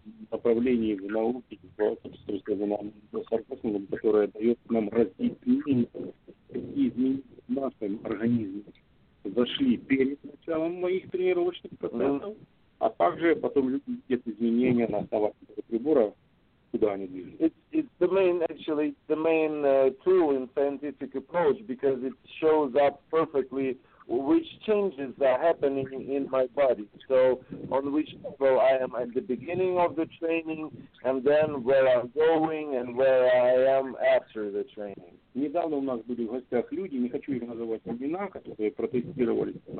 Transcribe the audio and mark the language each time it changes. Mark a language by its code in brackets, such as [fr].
[ru] Направлении в науке, которое дает нам разъяснение, какие изменения в нашем организме зашли перед началом моих тренировочных процессов, а также потом видят изменения на основании прибора, куда они движутся. [en] It's the main, actually, the main tool in scientific approach, because it shows up perfectly which changes are happening in my body. So on which level I am at the beginning of the training, and then where I'm going, and where I am after the training. [ru] Недавно у нас были в гостях люди, не хочу их называть имена, которые протестировали.